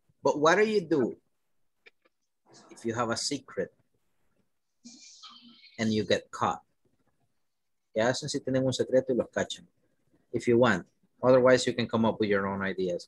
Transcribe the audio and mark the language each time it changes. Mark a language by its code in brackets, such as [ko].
[en] But what do you do if you have a secret and you get caught? [es] ¿Qué hacen si tienen un secreto y los cachan? [en] If you want. Otherwise, you can come up with your own ideas.